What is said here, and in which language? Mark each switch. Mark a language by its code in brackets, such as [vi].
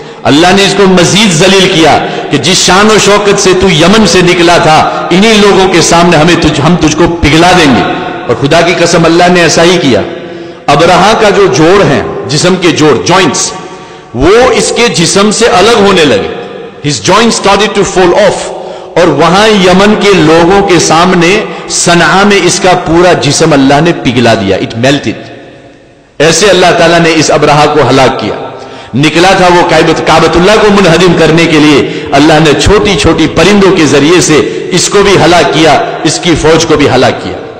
[ur] اللہ نے اس کو مزید ذلیل کیا کہ جس شان و شوکت سے تو یمن سے نکلا تھا, انہی لوگوں کے سامنے ہم تجھ کو پگھلا دیں گے. اور خدا کی قسم اللہ نے ایسا ہی کیا. ابرہا کا جو جوڑ ہے, جسم کے جوڑ, جوائنٹس, وہ اس کے جسم سے الگ ہونے لگے. [en] His joints started to fall off. [ur] اور وہاں یمن کے لوگوں کے سامنے صنعاء میں اس کا پورا جسم اللہ نے پگھلا دیا, [en] It melted. [ur] ایسے اللہ تعالیٰ نے اس ابرہا کو ہلاک کیا. نکلا تھا وہ کعبۃ اللہ کو منہدم کرنے کے لیے, اللہ نے چھوٹی چھوٹی پرندوں کے ذریعے سے اس کو بھی ہلاک کیا, اس کی فوج کو بھی ہلاک کیا.